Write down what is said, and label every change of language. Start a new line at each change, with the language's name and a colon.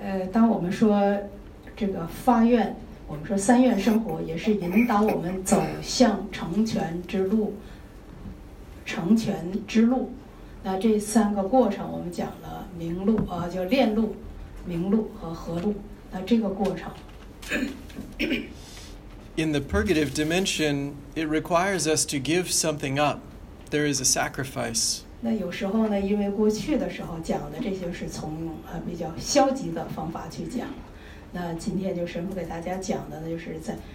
Chinese: 当我们说这个发愿，我们说三愿生活，也是引导我们走向成全之路，成全之路。那这三个过程我们讲了明路叫炼路明路和合路那这个过程
English: In the purgative dimension it requires us to give something up there is a sacrifice
Chinese: 那有时候呢因为过去的时候讲的这些是从比较消极的方法去讲那今天就神父给大家讲的呢就是在